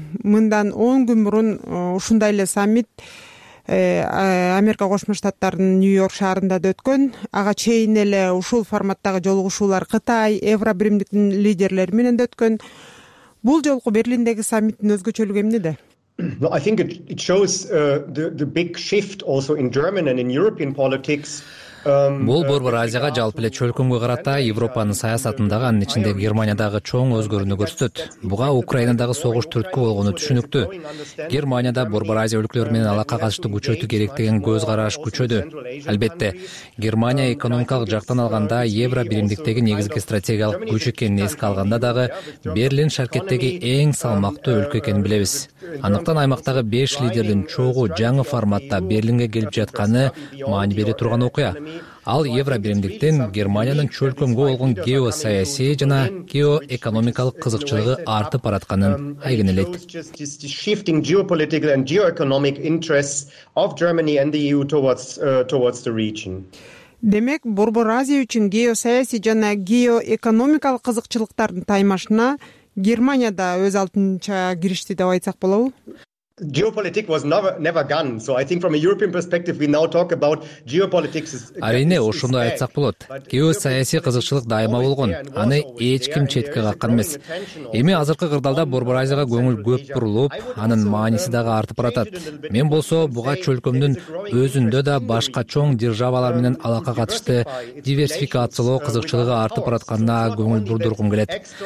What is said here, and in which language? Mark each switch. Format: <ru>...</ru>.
<ky>Мындан 10 күн мурун ушундай эле саммит Америка Кошмо Штаттарынын Нью-Йорк шаарында да өткөн. Ага чейин эле ушул форматтагы жолугушуулар Кытай, Евробиримдиктин лидерлери менен да өткөн. Бул жолку Берлиндеги саммиттин өзгөчөлүгү эмнеде?</ky> <en>Well, I think it shows the big shift also in German and in European politics.</en> <ky>Бул Борбор Азияга жалпы эле чөлкөмгө карата Европанын саясатындагы, анын ичинде Германиядагы чоң өзгөрүүнү көрсөтөт. Буга Украинадагы согуш түрткү болгону түшүнүктүү. Германияда Борбор Азия өлкөлөрү менен алака катышты күчөтүү керек деген көз караш күчөдү. Албетте, Германия экономикалык жактан алганда Евробиримдиктеги негизги стратегиялык күч экенин эске алганда дагы Берлин шаркеттеги эң салмактуу өлкө экенин билебиз. Андыктан аймактагы 5 лидердин чогуу жаңы форматта Берлинге келип жатканы маани бере турган окуя. Ал Евробиримдиктин Германиянын чөлкөмгө болгон геосаясий жана геоэкономикалык кызыкчылыгы артып баратканын айгинелейт.</ky> <en>Shifting geopolitical and geoeconomic interests of Germany and the EU towards the region.</en> <ky>Демек, Борбор Азия үчүн геосаясий жана геоэкономикалык кызыкчылыктардын таймашына Германия да өз алдынча киришти деп айтсак болобу?</ky> <en>Geopolitics was never gone. So I think from a European perspective we now talk about geopolitics is</en> <ky>Арине ошондо айтсак болот. Геосаясий кызыкчылык дайыма болгон. Аны эч ким четке каккан эмес. Эми азыркы кырдаалда Борбор Азияга көңүл көп бурулуп, анын мааниси дагы артып баратат. Мен болсо буга чөлкөмдүн өзүндө да башка чоң державалар менен алака катышты диверсификациялоо кызыкчылыгы артып баратканына көңүл бурдургум келет.</ky>